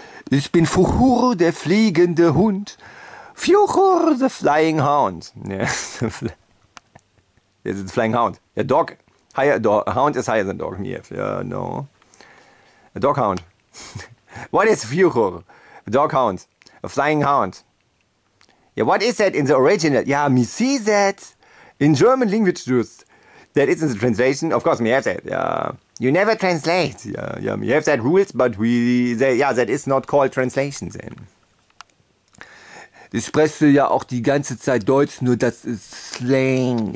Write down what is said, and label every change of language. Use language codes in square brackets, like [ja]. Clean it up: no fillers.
[de] Ich bin Fuchur, der fliegende Hund. [en] Fuchur, the flying hound. Yes, it's flying hound. A dog, higher dog. A hound is higher than dog. Yeah, no. A dog hound. What is Fuchur? A dog hound. A flying hound. Yeah, what is that in the original? Yeah, me see that in German language just. That isn't the translation. Of course, we have that. Yeah. You never translate. Yeah, yeah. We have that rules, but that is not called translation then. [de] Du sprichst ja auch die ganze Zeit Deutsch, nur das ist Slang.